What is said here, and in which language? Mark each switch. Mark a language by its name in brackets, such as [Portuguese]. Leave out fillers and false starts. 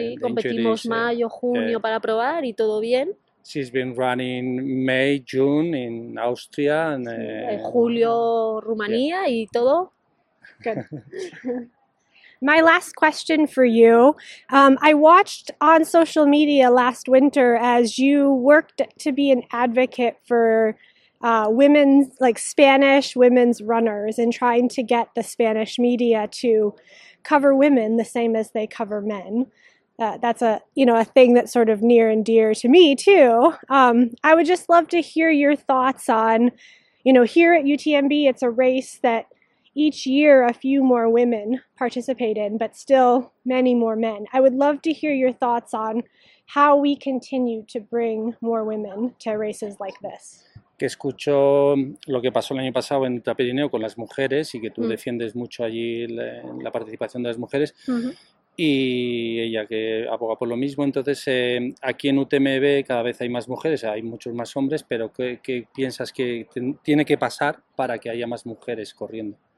[Spanish] competimos mayo, junio para probar y todo bien. [English] She's been running May, June in Austria and [Spanish] julio, Rumanía y todo. [English] Good. My last question for you. I watched on social media last winter as you worked to be an advocate for women's, like Spanish women's runners, and trying to get the Spanish media to cover women the same as they cover men. That's a thing that's sort of near and dear to me too. I would just love to hear your thoughts on, you know, here at UTMB, it's a race that each year a few more women participate in, but still many more men. I would love to hear your thoughts on how we continue to bring more women to races like this. [Spanish] Que escucho lo que pasó el año pasado en Trapirineo con las mujeres y que tú defiendes mucho allí la participación de las mujeres y ella que aboga por lo mismo. Entonces, aquí en UTMB cada vez hay más mujeres, hay muchos más hombres, pero ¿qué piensas que tiene que pasar para que haya más mujeres corriendo?